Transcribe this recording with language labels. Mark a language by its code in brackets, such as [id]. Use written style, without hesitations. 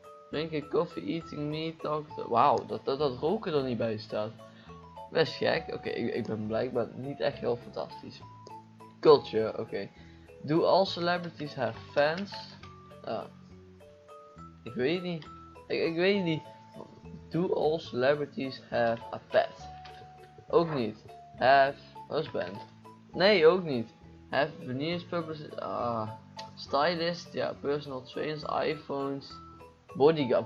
[en] Drinking, coffee, eating, meat, doctor. [nl] Wauw, dat roken er niet bij staat. Best gek, oké, ik ben blijkbaar niet echt heel fantastisch. [en] Culture, oké. Do all celebrities have fans? [nl] Ik weet niet. [en] Do all celebrities have a pet? [nl] Ook niet. [en] Have husband. [nl] Nee, ook niet. [en] Have veneers, purpose, stylist, ja, personal trains, iPhones, bodyguard.